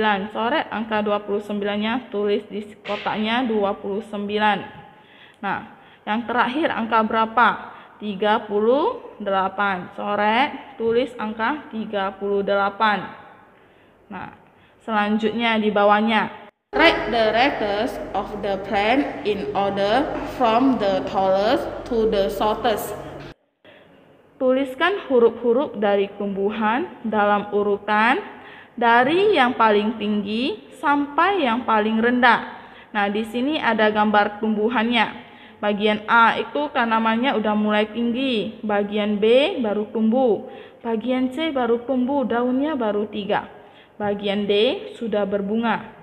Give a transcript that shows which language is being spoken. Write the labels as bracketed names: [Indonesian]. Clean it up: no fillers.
[Indonesian] Coret angka 29-nya, tulis di kotaknya 29. Nah, yang terakhir angka berapa? 38. Coret, tulis angka 38. Nah, selanjutnya di bawahnya. [English] Write the letters of the plan in order from the tallest to the shortest. [Indonesian] Tuliskan huruf-huruf dari tumbuhan dalam urutan dari yang paling tinggi sampai yang paling rendah. Nah, di sini ada gambar tumbuhannya. Bagian A itu tanamannya udah mulai tinggi, bagian B baru tumbuh, bagian C baru tumbuh, daunnya baru 3, bagian D sudah berbunga.